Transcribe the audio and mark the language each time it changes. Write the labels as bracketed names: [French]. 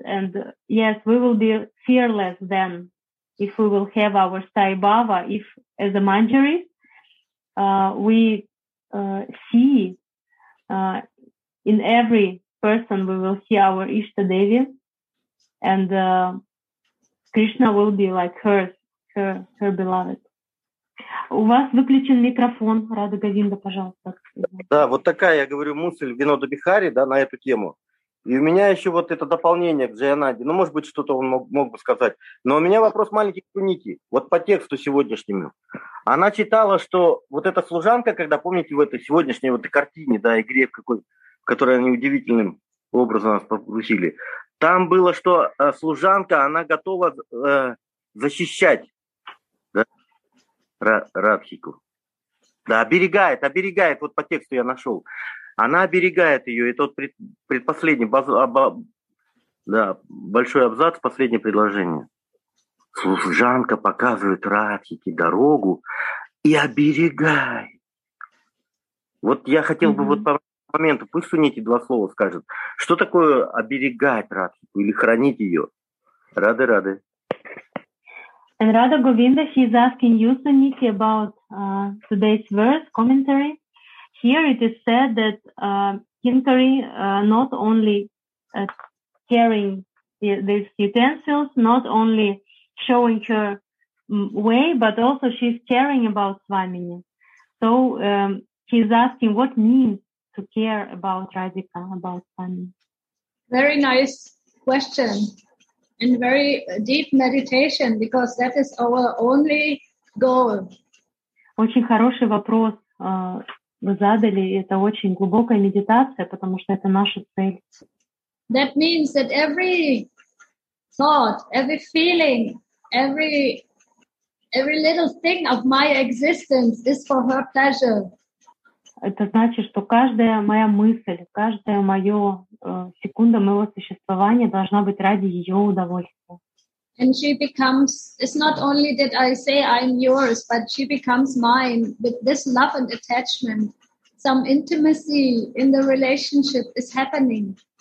[English] And yes, we will be fearless then if we will have our Sai Bhava, if as a Manjari, we see in every person, we will see our Ishta Devi, and Krishna will be like her beloved. [Russian] У вас выключен микрофон, Рада Говинда, пожалуйста. Да, вот такая, я говорю, мысль Винода Бихари, да, на эту тему. И у меня еще вот это дополнение к Джаянанде. Ну, может быть, что-то он мог бы сказать. Но у меня вопрос маленький к Сунити. Вот по тексту сегодняшнему. Она читала, что вот эта служанка, когда, помните, в этой сегодняшней вот картине, да, игре какой, которую они удивительным образом нас попросили, там было, что служанка, она готова защищать, да, Радхику. Да, оберегает, вот по тексту я нашел. Она оберегает ее. Это вот предпоследний, да, большой абзац, последнее предложение. Служанка показывает Радхике дорогу и оберегает. Вот я хотел бы вот по моменту, пусть Сунити два слова скажет. Что такое оберегать Радхику или хранить ее? Рады-рады. [English] And Radha Govinda, she is asking you, Sunithi, about today's verse commentary. Here it is said that Kinkari not only carrying these utensils, not only showing her way, but also she's caring about Swamini. So she is asking what means to care about Radhika, about Swamini. Very nice question. In very deep meditation, because that is our only goal. [Russian] Очень хороший вопрос вы задали. Это очень глубокая медитация, потому что это наша цель. [English] That means that every thought, every feeling, every little thing of my existence is for her pleasure. [Russian] Это значит, что каждая моя мысль, каждая моя секунда моего существования должна быть ради ее удовольствия. [English] And she becomes, it's not only that I say I'm yours, but she becomes mine with this love and attachment. Some intimacy in the relationship is happening.